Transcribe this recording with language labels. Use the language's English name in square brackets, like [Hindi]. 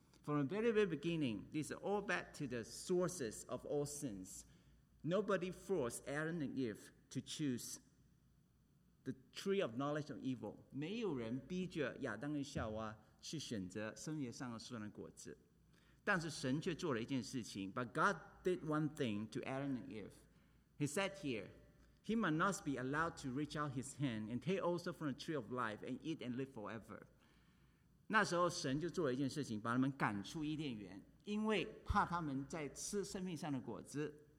[English] From the very, very beginning, this is all back to the sources of all sins. Nobody forced Adam and Eve to choose the tree of knowledge of evil. [Chinese] 没有人逼着亚当和夏娃去选择生于善恶树上的果子。但是神却做了一件事情。 [English] But God did one thing to Adam and Eve. He said here, he must not be allowed to reach out his hand and take also from the tree of life and eat and live forever. [Chinese] 那时候神就做了一件事情，把他们赶出伊甸园，因为怕他们在吃生命上的果子。